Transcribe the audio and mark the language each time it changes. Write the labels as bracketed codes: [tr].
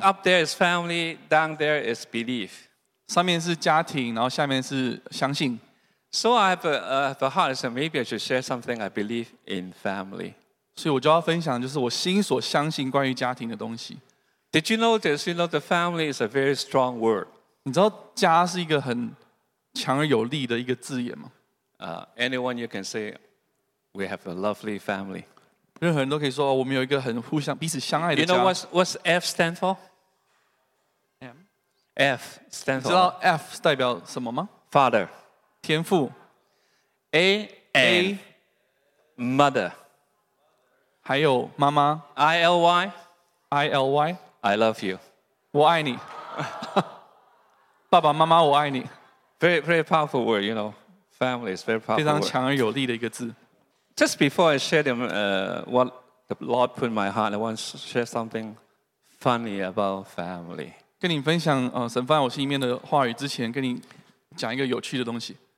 [en] Up there is family, down there is belief. [zh] 上面是家庭, 然后下面是相信。 [en] So I have a heart, so maybe I should share something I believe in family. [zh] 所以我就要分享就是我心所相信关于家庭的东西。 [en] Did you notice, you know, the family is a very strong word? [zh] 你知道家是一个很强而有力的一个字眼吗? [en] Anyone you can say, we have a lovely family. [zh] 任何人都可以说，我们有一个很互相彼此相爱的家。 [en] You know what's F stand for? M. F stand for. [zh] 知道 F 代表什么吗 [en] ？Father. [zh] 天父. [en] A A. Mother. [zh] 还有妈妈. [en] I L Y. I L Y. I love you. [zh] 我爱你.爸爸妈妈，我爱你. [en] Very powerful word, you know. Family is very powerful. [zh] 非常强而有力的一个字. [en] Just before I share them, what the Lord put in my heart, I want to share something funny about family. [zh] 跟你分享, 神放在我心里面的话语之前, 跟你讲一个有趣的东西.